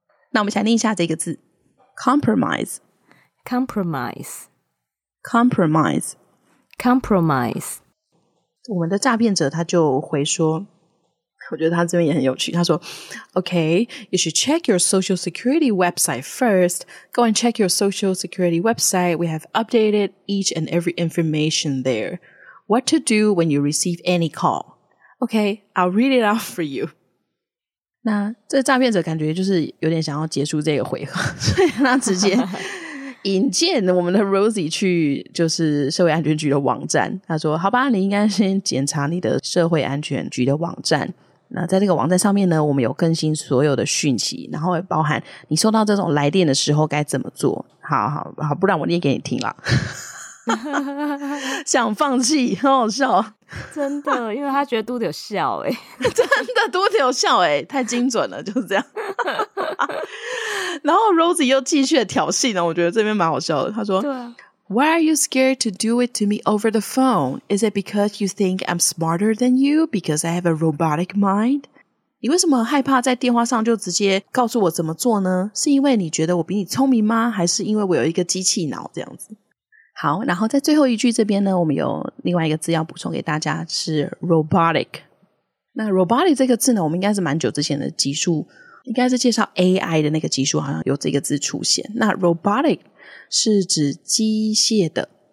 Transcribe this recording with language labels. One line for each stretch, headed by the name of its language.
Chinese: 那我们想念一下这个字Compromise.
English: Compromise. Compromise. Compromise.
Chinese: 我们的诈骗者他就回说，我觉得他这边也很有趣，他说
English: Okay, you should check your social security website first. Go and check your social security website. We have updated each and every information there. What to do when you receive any call? Okay, I'll read it out for you.
Chinese: 那这诈骗者感觉就是有点想要结束这个回合，所以他直接引荐我们的 Rosie 去就是社会安全局的网站。他说好吧，你应该先检查你的社会安全局的网站，那在这个网站上面呢，我们有更新所有的讯息，然后也包含你收到这种来电的时候该怎么做。好好好，不然我念给你听啦。想放弃，很好笑。真的，因为他觉得肚子有笑欸。真的肚子有笑欸，太精准了，就是这样。然后 Rosie 又继续的挑衅，我觉得这边蛮好笑的。他说对、
English: Why are you scared to do it to me over the phone? Is it because you think I'm smarter than you? Because I have a robotic mind?
Chinese: 你为什么害怕在电话上就直接告诉我怎么做呢？是因为你觉得我比你聪明吗？还是因为我有一个机器脑这样子？好，然后在最后一句这边呢，我们有另外一个字要补充给大家，是 robotic。那 robotic 这个字呢，我们应该是蛮久之前的集数，应该是介绍 AI 的那个集数好像有这个字出现。那 robotic 是指机械的